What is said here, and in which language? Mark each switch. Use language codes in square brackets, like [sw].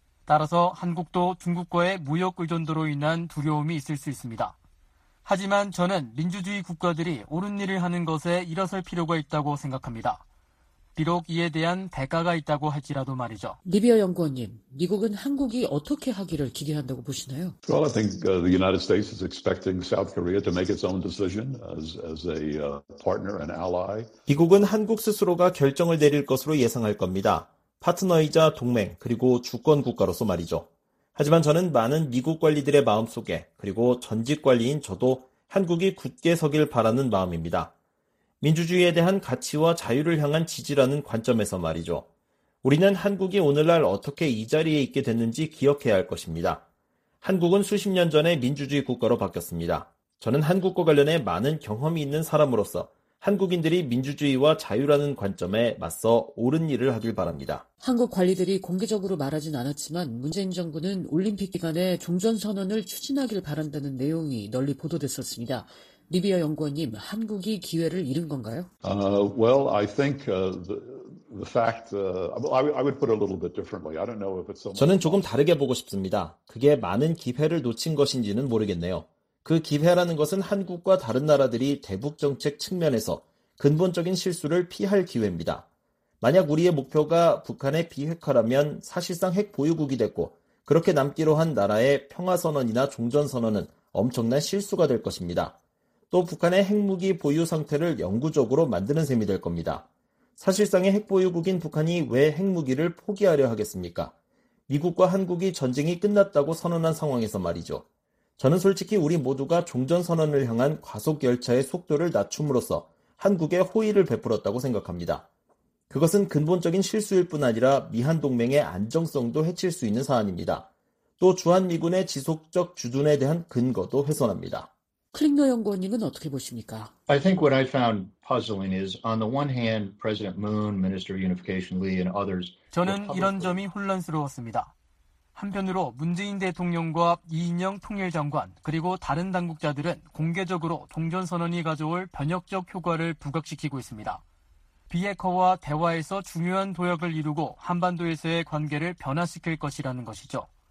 [ko] 따라서 한국도 중국과의 무역 의존도로 인한 두려움이 있을 수 있습니다. 하지만 저는 민주주의 국가들이 옳은 일을 하는 것에 일어설 필요가 있다고 생각합니다. 비록 이에 대한 대가가 있다고 할지라도 말이죠. 리비아 연구원님, 미국은 한국이 어떻게 하기를 기대한다고 보시나요? [en] Well, I think the United States is expecting South Korea to make its own decision as a partner and ally. [ko] 미국은 한국 스스로가 결정을 내릴 것으로 예상할 겁니다. 파트너이자 동맹 그리고 주권 국가로서 말이죠. 하지만 저는 많은 미국 관리들의 마음속에 그리고 전직 관리인 저도 한국이 굳게 서길 바라는 마음입니다. 민주주의에 대한 가치와 자유를 향한 지지라는 관점에서 말이죠. 우리는 한국이 오늘날 어떻게 이 자리에 있게 됐는지 기억해야 할 것입니다. 한국은 수십 년 전에 민주주의 국가로 바뀌었습니다. 저는 한국과 관련해 많은 경험이 있는 사람으로서 한국인들이 민주주의와 자유라는 관점에 맞서 옳은 일을 하길 바랍니다. 한국 관리들이 공개적으로 말하진 않았지만 문재인 정부는 올림픽 기간에 종전선언을 추진하길 바란다는 내용이 널리 보도됐었습니다. 리비아 연구원님, 한국이 기회를 잃은 건가요? [en] Well, I think the fact I would put a little bit differently. I don't know if it's so. [ko] 저는 조금 다르게 보고 싶습니다. 그게 많은 기회를 놓친 것인지는 모르겠네요. 그 기회라는 것은 한국과 다른 나라들이 대북 정책 측면에서 근본적인 실수를 피할 기회입니다. 만약 우리의 목표가 북한의 비핵화라면 사실상 핵 보유국이 됐고 그렇게 남기로 한 나라의 평화 선언이나 종전 선언은 엄청난 실수가 될 것입니다. 또 북한의 핵무기 보유 상태를 영구적으로 만드는 셈이 될 겁니다. 사실상의 핵 보유국인 북한이 왜 핵무기를 포기하려 하겠습니까? 미국과 한국이 전쟁이 끝났다고 선언한 상황에서 말이죠. 저는 솔직히 우리 모두가 종전선언을 향한 과속열차의 속도를 낮춤으로써 한국에 호의를 베풀었다고 생각합니다. 그것은 근본적인 실수일 뿐 아니라 미한동맹의 안정성도 해칠 수 있는 사안입니다. 또 주한미군의 지속적 주둔에 대한 근거도 훼손합니다. 클링너 연구원님은 어떻게 보십니까? [en] I think what I found puzzling is on the one hand, President Moon, Minister of Unification Lee and others. [ko] 저는 이런 점이 혼란스러웠습니다. 한편으로 문재인 대통령과 이인영 통일장관 그리고 다른 당국자들은 공개적으로 종전선언이 가져올 변혁적 효과를 부각시키고 있습니다. 비핵화와 대화에서 중요한 도약을 이루고 한반도에서의 관계를 변화시킬 것이라는 것이죠.